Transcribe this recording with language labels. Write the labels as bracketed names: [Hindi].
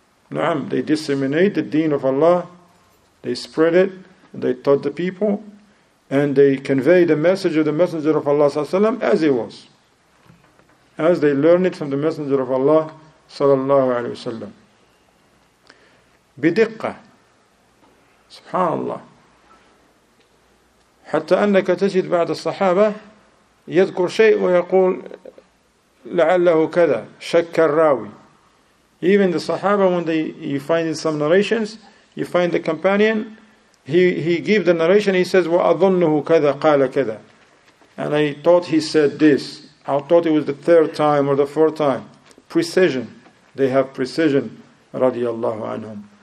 [English] They disseminate the deen of Allah, they spread it, they taught the people, and they convey the message of the Messenger of Allah وسلم, as it was, as they learned it from the Messenger of Allah sallallahu alayhi wa sallam. [Arabic] بِدِقَّة سبحان الله حتى أنك تجد بعد الصحابة يذكر شيء ويقول لعله كذا شك الراوي. [English] Even the Sahaba, when you find in some narrations, you find the companion, he gives the narration, he says, وَأَظُنُّهُ كَذَا قَالَ كَذَا. And I thought he said this. I thought it was the third time or the fourth time. Precision. They have precision, رضي الله عنهم.